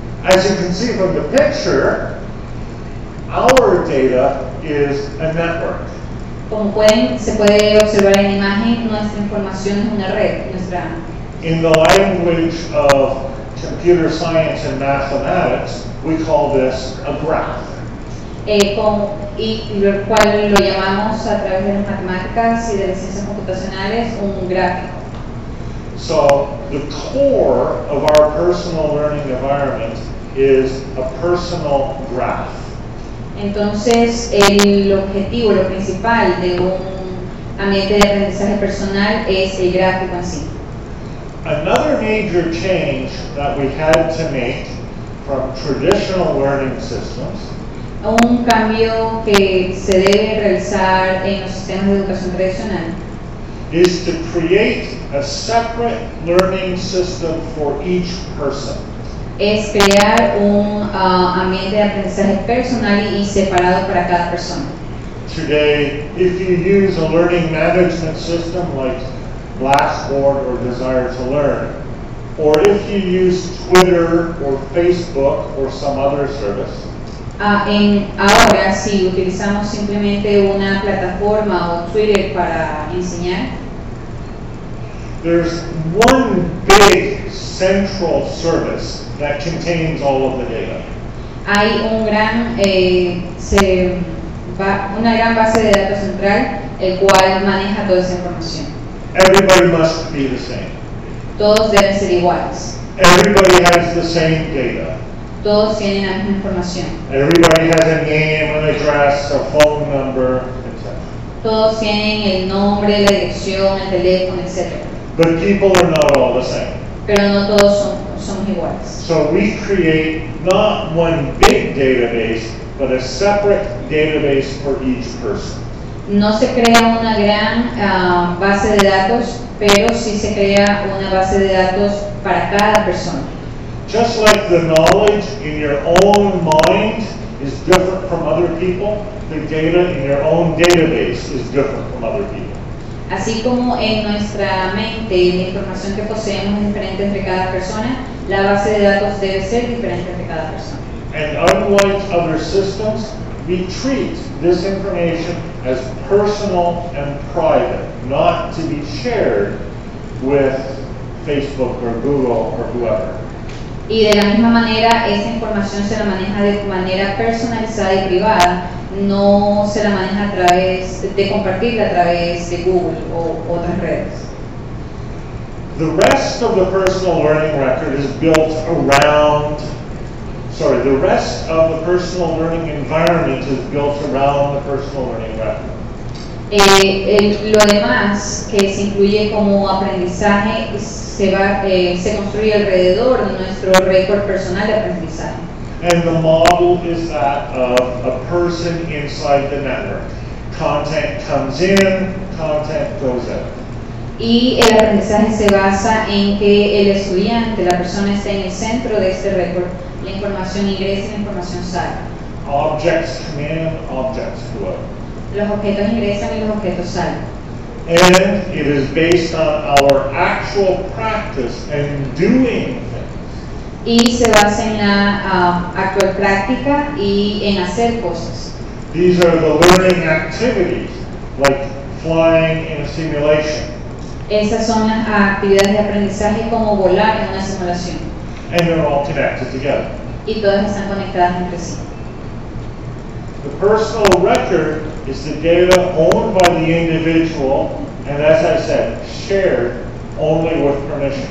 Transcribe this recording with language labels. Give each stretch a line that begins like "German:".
English: As you can see from the picture, our data is a network.
Spanish: Como pueden, se puede observar en la imagen, nuestra información es una red, nuestra.
English: In the language of computer science and mathematics, we call this a graph.
Spanish: Cual lo llamamos a través de las matemáticas y de las ciencias computacionales un gráfico.
English: So the core of our personal learning environment is a personal graph.
Spanish: Entonces el objetivo, lo principal de un ambiente de aprendizaje personal es el gráfico en sí.
English: Another major change that we had to make from traditional learning systems.
Spanish: Un cambio que se debe realizar en los sistemas de educación tradicional.
English: Is to create a separate learning system for each person.
Spanish: Es crear un ambiente de aprendizaje personal y separado para cada persona.
English: Today, if you use a learning management system like Blackboard or Desire to Learn, or if you use Twitter or Facebook or some other service.
Spanish: Ahora, si utilizamos simplemente una plataforma o Twitter para enseñar,
English: there's one big central service that contains all of the data.
Spanish: Hay un gran una gran base de datos central el cual maneja toda esa información.
English: Everybody must be the same.
Spanish: Todos deben ser iguales.
English: Everybody has the same data.
Spanish: Todos tienen la misma información.
English: Everybody has a name, an address, a phone number, etc.
Spanish: Todos tienen el nombre, la dirección, el teléfono, etc.
English: But people are not all the same.
Spanish: Pero no todos somos iguales.
English: So we create not one big database, but a separate database for each person.
Spanish: No se crea una gran base de datos, pero sí se crea una base de datos para cada persona.
English: Just like the knowledge in your own mind is different from other people, the data in your own database is different from other people.
Spanish: Así como en nuestra mente la información que poseemos es diferente entre cada persona, la base de datos debe ser diferente entre cada persona.
English: And unlike other systems, we treat this information as personal and private, not to be shared with Facebook or Google or whoever.
Spanish: Y de la misma manera, esa información se la maneja de manera personalizada y privada. No se la maneja a través de compartirla a través de Google o otras redes.
English: The rest of the personal learning record is built around, sorry, the rest of the personal learning environment is built around the personal learning record.
Spanish: Lo demás que se incluye como aprendizaje se construye alrededor de nuestro récord personal de aprendizaje.
English: And the model is that of a person inside the network. Content comes in, content goes out.
Spanish: Y el aprendizaje se basa en que el estudiante, la persona está en el centro de este récord. La información ingresa y la información sale.
English: Objects come in, objects go out.
Spanish: Los objetos ingresan y los objetos salen.
English: And it is based on our actual practice and doing things.
Spanish: Y se basa en la actual práctica y en hacer cosas.
English: These are the learning activities, like flying in a simulation.
Spanish: Esas son las actividades de aprendizaje como volar en una simulación.
English: And they're all connected together.
Spanish: Y todas están conectadas entre sí.
English: The personal record is the data owned by the individual, and as I said, shared only with permission.